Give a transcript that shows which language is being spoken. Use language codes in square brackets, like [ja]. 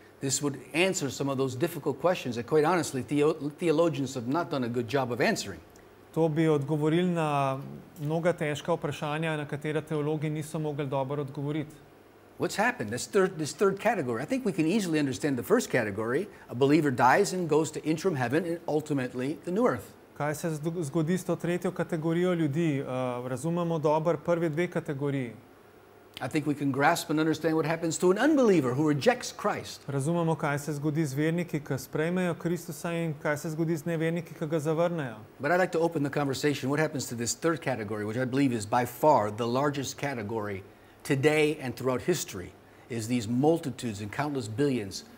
[en] This would answer some of those difficult questions that, quite honestly, theologians have not done a good job of answering. [sl] To bi odgovoril na mnoga težka vprašanja, na katera teologi niso mogli dobro odgovoriti. [en] What's happened? This third category. I think we can easily understand the first category. A believer dies and goes to interim heaven and ultimately the new earth. [sl] Kaj se zgodi s to tretjo kategorijo ljudi? Razumemo dobro prve dve kategoriji. [en] I think we can grasp and understand what happens to an unbeliever who rejects Christ. [sl] Razumemo, kaj se zgodi z verniki, ki sprejmejo Kristusa in kaj se zgodi z neverniki, ki ga zavrnejo. [en] But I'd like to open the conversation. What happens to this third category, which I believe is by far the largest category today and throughout history, is these multitudes and countless billions